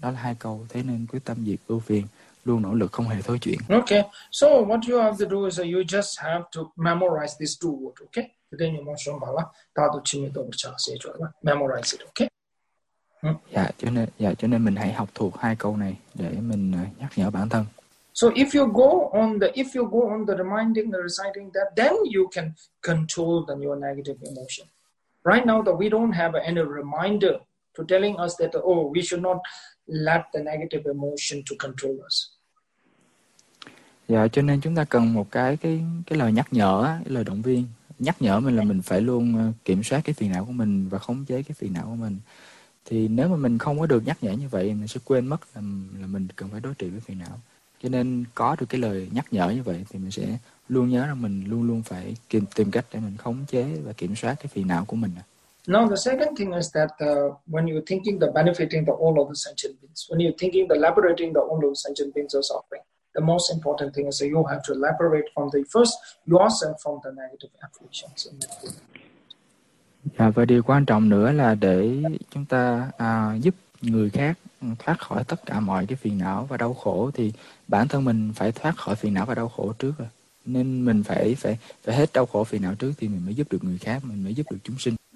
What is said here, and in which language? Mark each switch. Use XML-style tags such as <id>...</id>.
<vi>Đó là hai câu, thế nên quyết tâm diệt ưu phiền, luôn nỗ lực không hề thối chuyển.</vi> <en>Okay, so what you have to do is you just have to memorize these two words, okay? Then you must remember that to me don't chance it, memorize it, okay?</en> <vi>Dạ, cho nên mình hãy học thuộc hai câu này để mình nhắc nhở bản thân.</vi> <en>So if you go on the reminding, the reciting that, then you can control the your negative emotion. Right now that we don't have any reminder to telling us that, oh, we should not let the negative emotion to control us.</en> <vi>Dạ, cho nên chúng ta cần một cái lời nhắc nhở, cái lời động viên nhắc nhở mình là mình phải luôn kiểm soát cái phiền não của mình và khống chế cái phiền não của mình. Thì nếu mà mình không có được nhắc nhở như vậy, mình sẽ quên mất là mình cần phải đối trị với phiền não. Cho nên có được cái lời nhắc nhở như vậy thì mình sẽ luôn nhớ rằng mình luôn luôn phải tìm cách để mình khống chế và kiểm soát cái phiền não của mình.</vi> <en>Now the second thing is that when you're thinking the benefiting the all of the sentient beings, when you're thinking the liberating the all of the sentient beings are suffering, the most important thing is that you have to liberate from the first yourself from the negative afflictions.</en> <vi>Và điều quan trọng nữa là để chúng ta giúp người khác thoát khỏi tất cả mọi cái phiền não và đau khổ, thì bản thân mình phải thoát khỏi phiền não và đau khổ trước rồi. Nên mình phải phải phải hết đau khổ phiền não trước thì mình mới giúp được người khác, mình mới giúp được chúng sinh.</vi>